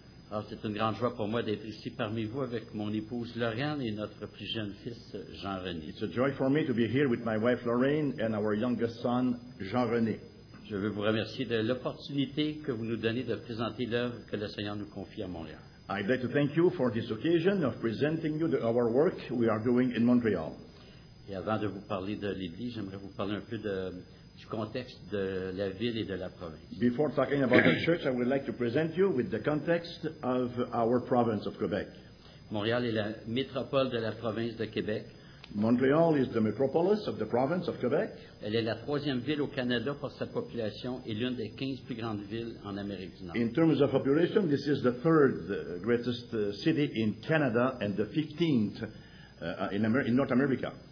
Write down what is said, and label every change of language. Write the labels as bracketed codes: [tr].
[fr] Alors, c'est une grande joie pour moi d'être ici parmi vous avec mon épouse Lorraine et notre plus jeune fils Jean-René. [en] It's a joy for me to be here with my wife Lorraine and our youngest son Jean-René. [fr] Je veux vous remercier de l'opportunité que vous nous donnez de présenter l'œuvre que le Seigneur nous confie à Montréal. [en] I'd like to thank you for this occasion of presenting you the, our work we are doing in Montreal. [fr] Et avant de vous parler de l'Église, j'aimerais vous parler un peu de, du contexte de la ville et de la province. [en] Before talking about the church, I would like to present you with the context of our province of Quebec. [fr] Montréal est la métropole de la province de Québec. [en] Montreal is the metropolis of the province of Quebec. [fr] Elle est la troisième ville au Canada pour sa population et l'une des 15 plus grandes villes en Amérique du Nord. [en] In terms of population, this is the third greatest city in Canada and the 15th in North America.